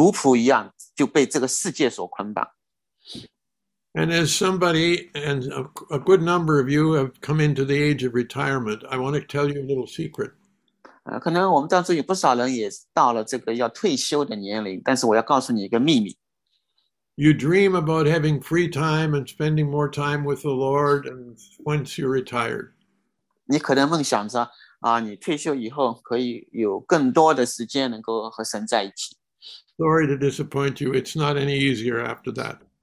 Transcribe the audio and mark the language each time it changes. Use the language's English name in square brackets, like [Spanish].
[Chinese] 所以就是我们需要神来开启我们，让我们意识到我们非常的容易，好像就像这个奴仆一样，就被这个世界所捆绑。 [English] And as somebody, and a good number of you have come into the age of retirement, I want to tell you a little secret. [Chinese] 可能我们当中有不少人也到了这个要退休的年龄，但是我要告诉你一个秘密。 [English] You dream about having free time and spending more time with the Lord and once you're retired. [Chinese] 你可能梦想着，你退休以后可以有更多的时间能够和神在一起。 [English] Sorry to disappoint you, it's not any easier after that.